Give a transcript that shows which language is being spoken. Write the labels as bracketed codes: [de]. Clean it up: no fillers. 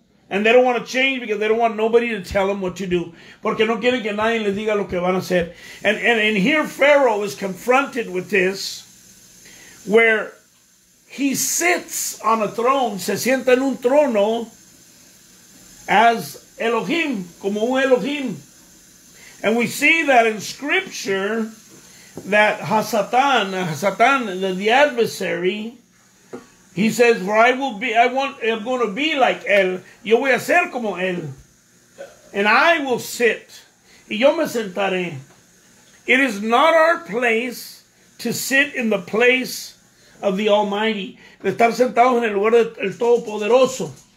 [en] And they don't want to change because they don't want nobody to tell them what to do. [es] Porque no quieren que nadie les diga lo que van a hacer. [en] And here Pharaoh is confronted with this, where he sits on a throne, [es] se sienta en un trono, [en] as Elohim, [es] como un Elohim. [en] And we see that in Scripture, that Hasatan, the adversary, He says, "For I will be, I'm going to be like él. [es] Yo voy a ser como él. [en] And I will sit. [es] Y yo me sentaré. [en] It is not our place to sit in the place of the Almighty." [es] De estar sentados en el lugar del Todopoderoso.